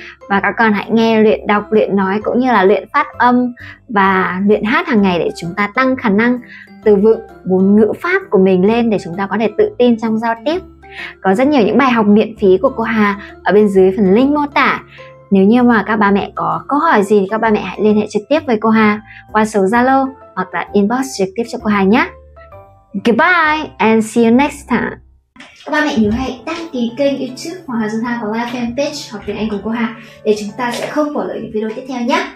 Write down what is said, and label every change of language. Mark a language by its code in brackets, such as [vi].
[vi] Và các con hãy nghe luyện đọc, luyện nói cũng như là luyện phát âm và luyện hát hàng ngày để chúng ta tăng khả năng từ vựng, ngôn ngữ pháp của mình lên để chúng ta có thể tự tin trong giao tiếp. Có rất nhiều những bài học miễn phí của cô Hà ở bên dưới phần link mô tả. Nếu như mà các ba mẹ có câu hỏi gì thì các ba mẹ hãy liên hệ trực tiếp với cô Hà qua số Zalo hoặc là inbox trực tiếp cho cô Hà nhé. [en] Goodbye and see you next time. [vi] Các ba mẹ nhớ hãy đăng ký kênh YouTube Hoàng Hà Dương Thang và like fanpage Học Tiếng Anh cùng cô Hà để chúng ta sẽ không bỏ lỡ những video tiếp theo nhé.